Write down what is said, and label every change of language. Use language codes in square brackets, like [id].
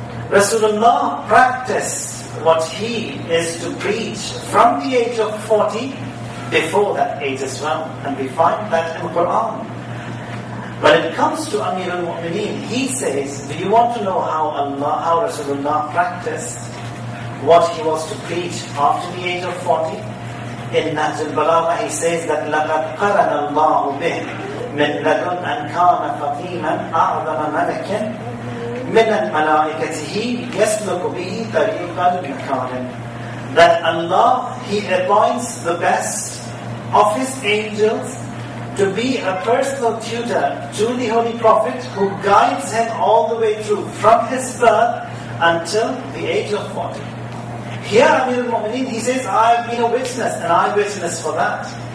[en] Rasulullah practiced what he is to preach from the age of 40, before that age as well. And we find that in the Quran. When it comes to Amir al-Mu'mineen, he says, do you want to know how Rasulullah practiced what he was to preach after the age of 40? In Nahjul Balagha, he says that [ar] لَقَدْ قَرَنَ اللَّهُ بِهِ مِنْ لَدُنْ أَنْ كَانَ فَقِيمًا أَعْظَمَ مَلَكٍ مِنَ الْمَلَائِكَتِهِ يَسْلُكُ بِهِ طَرِيقَ الْمَكَارِمِ. [en] That Allah, he appoints the best of his angels to be a personal tutor to the Holy Prophet, who guides him all the way through from his birth until the age of 40. Here Amir al-Mu'mineen, he says, I have been a witness, an eyewitness for that.